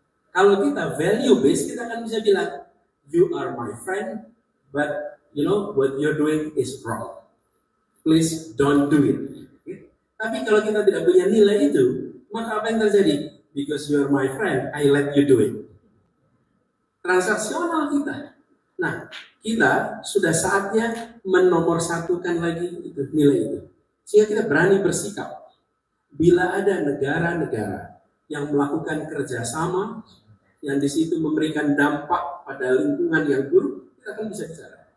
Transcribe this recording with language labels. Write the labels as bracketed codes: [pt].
[id] Kalau kita [en] value based, [id] kita akan bisa bilang, [en] you are my friend, but you know what you're doing is wrong. Please don't do it. [id] Tapi kalau kita tidak punya nilai itu, maka apa yang terjadi? [en] Because you are my friend, I let you do it. [id] Transaksional kita. Nah, kita sudah saatnya menomorsatukan lagi itu, nilai itu. Sehingga kita berani bersikap. Bila ada negara-negara yang melakukan kerjasama, yang di situ memberikan dampak pada lingkungan yang buruk, kita akan bisa bicara.